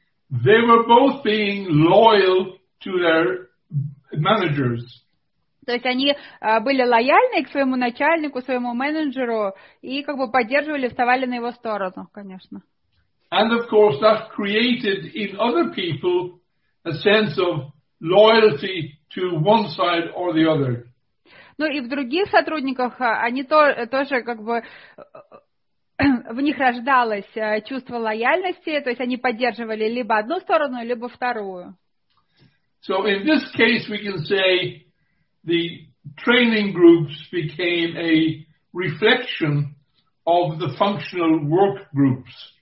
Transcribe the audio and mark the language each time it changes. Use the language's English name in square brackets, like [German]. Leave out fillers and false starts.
[English] They were both being loyal to their managers. [Russian] То есть они были лояльны к своему начальнику, своему менеджеру и как бы поддерживали, вставали на его сторону, конечно. [English] And of course that created in other people a sense of loyalty to one side or the other. [Russian] Ну и в других сотрудниках они тоже как бы в них рождалось чувство лояльности, то есть они поддерживали либо одну сторону, либо вторую. [English] So in this case we can say the training groups became a reflection of the functional work groups.